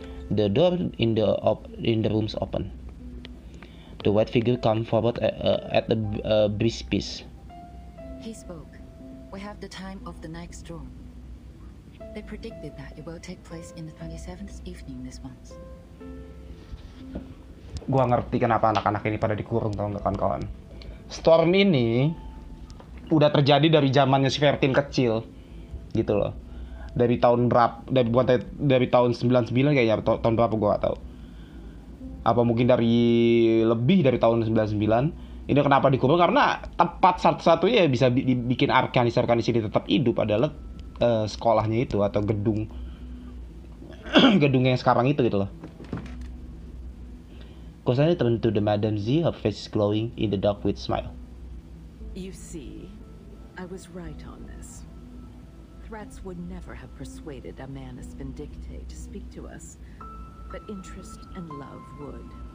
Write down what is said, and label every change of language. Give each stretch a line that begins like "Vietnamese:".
English: The door in the room's open. The white figure comes forward at the piece. He spoke. We have the time of the next storm. They predicted that it will take place in the 27th evening this month.
Indonesian: Gua ngerti kenapa anak-anak ini pada dikurung, tau gak kawan-kawan. Storm ini udah terjadi dari zamannya si Vertin kecil, gitu loh. Dari tahun berapa? Dari tahun 99 kayaknya. Tahun berapa gua gak tahu. Apa mungkin dari lebih dari tahun 99? Ini kenapa dikurung? Karena tepat satu-satunya bisa dibikin arkanis-arkanis ini tetap hidup adalah sekolahnya itu atau gedung gedung yang sekarang itu gitu loh.
English: Constantine turned to the Madam Z, her face glowing in the dark with smile. You see, I was right on this. Threats would never have persuaded a man as vindictive to speak to us, but interest and love would.